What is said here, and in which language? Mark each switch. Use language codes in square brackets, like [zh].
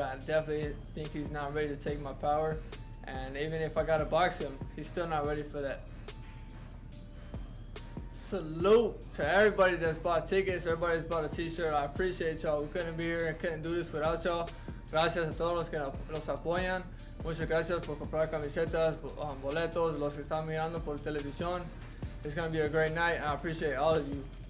[en] I definitely think he's not ready to take my power, and even if I gotta box him, he's still not ready for that. Salute to everybody that's bought tickets, everybody that's bought a t-shirt. I appreciate y'all. We couldn't be here and couldn't do this without y'all. [es] Gracias a todos los que nos apoyan. Muchas gracias por comprar camisetas, boletos, los que están mirando por televisión. [en] It's gonna be a great night, and I appreciate all of you.